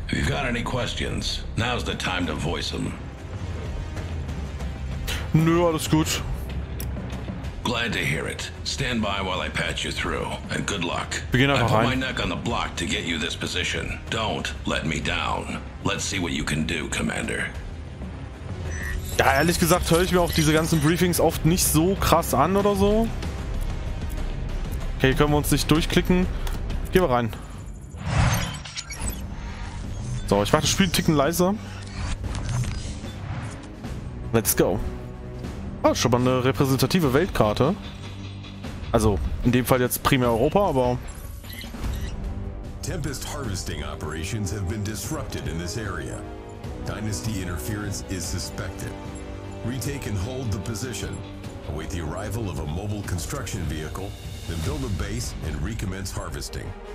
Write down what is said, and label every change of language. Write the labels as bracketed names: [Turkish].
[English] If you've got any questions, now's the time to voice them. [German] Nö, alles gut. [English] Glad to hear it. Stand by while I patch you through, and good luck. Begin I put [German] rein. [English] My neck on the block to get you this position. Don't let me down. Let's see what you can do, Commander. [German] Ja, ehrlich gesagt höre ich mir auch diese ganzen Briefings oft nicht so krass an oder so. Okay, können wir uns nicht durchklicken. Gehen wir rein. So, ich mache das Spiel einen Ticken leiser. [English] Let's go. [German] Oh, schon mal eine repräsentative Weltkarte. Also, in dem Fall jetzt primär Europa, aber... [English] Tempest harvesting operations have been disrupted in this area. Dynasty interference is suspected. Retake and hold the position. Await the arrival of a mobile construction vehicle, then build a base and recommence harvesting.